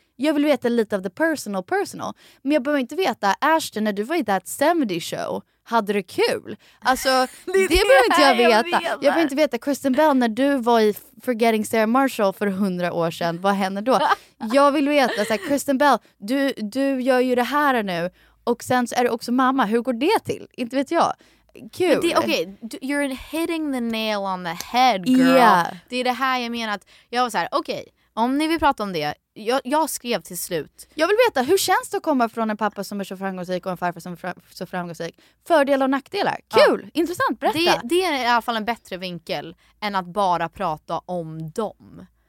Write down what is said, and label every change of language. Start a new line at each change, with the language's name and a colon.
Swedish: Jag vill veta lite av
English: the personal.
Swedish: Men jag behöver inte veta, Ashton, när du var i That 70s Show, hade du kul? Alltså, det behöver inte jag veta. Jag behöver inte veta, Kristen Bell, när du var i Forgetting Sarah Marshall för 100 år sedan, vad hände då? Jag vill veta, så här, Kristen Bell, du gör ju det här nu. Och sen så är du också mamma. Hur går det till? Inte vet jag. Kul. Okej, okay.
English: You're hitting the nail on the head, girl. Yeah.
Swedish: Det är det här jag menar. Att jag var så här, okej, om ni vill prata om det. Jag skrev till slut. Jag vill veta, hur känns det att komma från en pappa som är så framgångsrik och en farfar som är så framgångsrik? Fördelar och nackdelar. Kul, ja. Intressant, berätta. Det är i alla fall en bättre vinkel än att bara prata om dem.